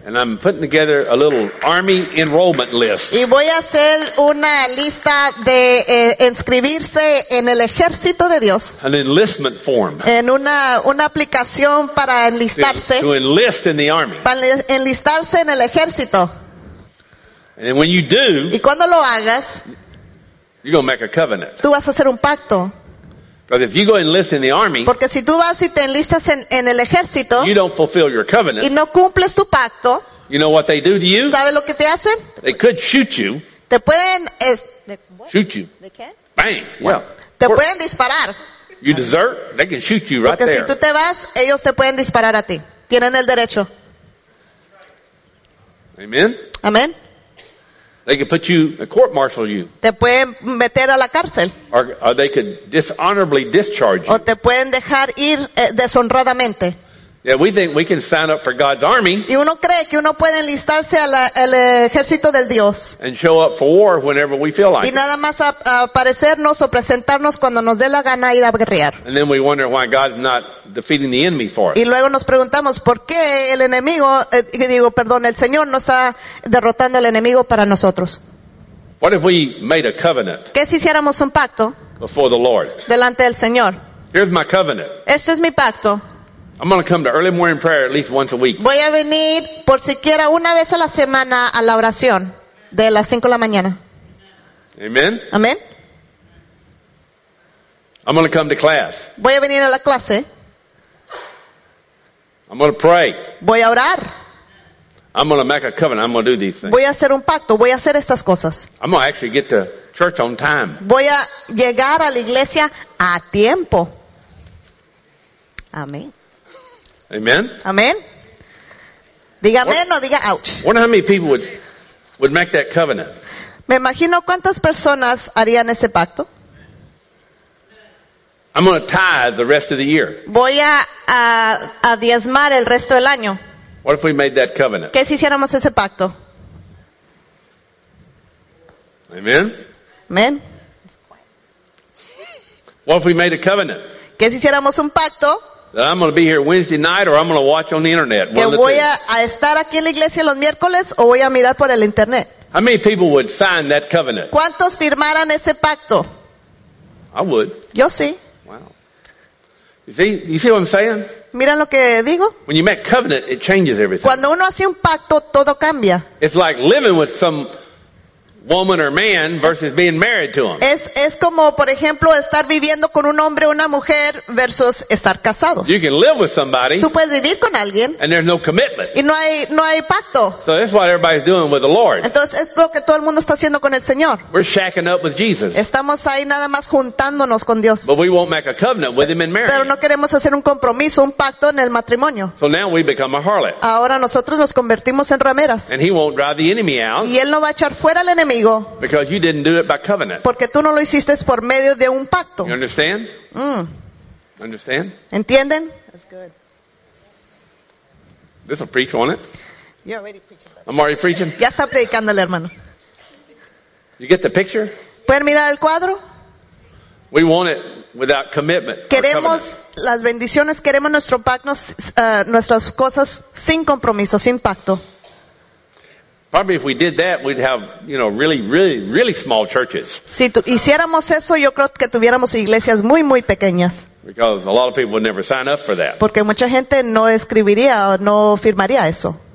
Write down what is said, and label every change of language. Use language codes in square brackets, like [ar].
[en] And I'm putting together a little army enrollment list. [es] Y voy a hacer una lista de inscribirse en el ejército de Dios. [en] An enlistment form. [es] En una aplicación para enlistarse [en] to enlist in the army. [es] Para enlistarse en el ejército. [en] And when you do, [es] y cuando lo hagas, [en] you're gonna make a covenant. [es] Tú vas a hacer un pacto. [en] But if you go enlist in the army, [es] porque si tú vas y te enlistas en el ejército, [en] you don't fulfill your covenant, [es] y no cumples tu pacto, [en] you know what they do to you? [es] ¿Sabes lo que te hacen? [en] They could shoot you. [es] Te pueden [en] shoot you. They can? Bang. Well, [es] te pueden disparar. [en] You desert, they can shoot you right [es] porque [en] there. [es] Si tú te vas, ellos te pueden disparar a ti. Tienen el derecho. [en] Amen. Amen. They can put you, court-martial you. [es] Te pueden meter a la cárcel. [en] Or they could dishonorably discharge you. [es] O te pueden dejar ir deshonradamente. [en] Yeah, we think we can sign up for God's army. [es] Y uno cree que uno puede enlistarse al ejército del Dios. [en] And show up for war whenever we feel like. [es] Y nada más aparecernos o presentarnos cuando nos dé la gana ir a guerrear. [en] And then we wonder why God's not defeating the enemy for us. [es] Y luego nos preguntamos por qué el enemigo, el Señor no está derrotando al enemigo para nosotros. [en] What if we made a covenant? [es] ¿Qué si hiciéramos un pacto? [en] Before the Lord. [es] Delante del Señor. [en] Here's my covenant. [es] Este es mi pacto. [en] I'm going to come to early morning prayer at least once a week. [es] Voy a venir por siquiera una vez a la semana a la oración de las 5 de la mañana. Amen. Amen. [en] I'm going to come to class. [es] Voy a venir a la clase. [en] I'm going to pray. [es] Voy a orar. [en] I'm going to make a covenant. I'm going to do these things. [es] Voy a hacer un pacto. Voy a hacer estas cosas. [en] I'm going to actually get to church on time. [es] Voy a llegar a la iglesia a tiempo. Amén. Amen. Amén. Diga amén o diga ouch. [en] Wonder how many people would make that covenant. [es] Me imagino cuántas personas harían ese pacto. [en] I'm going to tithe the rest of the year. [es] Voy a diezmar el resto del año. [en] What if we made that covenant? [es] ¿Qué si hiciéramos ese pacto? Amen. Amen. [en] What if we made a covenant? [es] ¿Qué si hiciéramos un pacto? [en] That I'm going to be here Wednesday night, or I'm going to watch on the internet. [es] Que voy a estar aquí en la iglesia los miércoles o voy a mirar por el internet. [en] How many people would sign that covenant? [es] ¿Cuántos firmaran ese pacto? [en] I would. [es] Yo sí. [en] Wow. You see what I'm saying? [es] ¿Miran lo que digo? [en] When you make covenant, it changes everything. [es] Cuando uno hace un pacto, todo cambia. [en] It's like living with some woman or man versus being married to him. [es] Es como, por ejemplo, estar viviendo con un hombre o una mujer versus estar casados. [en] You can live with somebody. [es] Tú puedes vivir con alguien. [en] And there's no commitment. [es] Y no hay pacto. [en] So that's what everybody's doing with the Lord. [es] Entonces es lo que todo el mundo está haciendo con el Señor. [en] We're shacking up with Jesus. [es] Estamos ahí nada más juntándonos con Dios. [en] But we won't make a covenant with him in marriage. [es] Pero no queremos hacer un compromiso, un pacto en el matrimonio. [en] So now we become a harlot. [es] Ahora nosotros nos convertimos en rameras. [en] And he won't drive the enemy out. [es] Y él no va a echar fuera al enemigo. [en] Because you didn't do it by covenant. [es] Porque tú no lo hiciste por medio de un pacto. [en] You understand? Understand? [es] ¿Entienden? [en] That's good. This will preach on it. You're already preaching. I'm already preaching. [es] Ya está predicando el hermano. [en] You get the picture? [es] ¿Pueden mirar el cuadro? [en] We want it without commitment. [es] Queremos las bendiciones, queremos nuestro pacto, nuestras cosas sin compromiso, sin pacto. [en] Probably if we did that, we'd have, you know, really, really, really small churches. [es] Si hiciéramos eso, yo creo que tuviéramos iglesias muy, muy pequeñas. [en] Because a lot of people would never sign up for that. [es] Porque mucha gente no escribiría o no firmaría eso.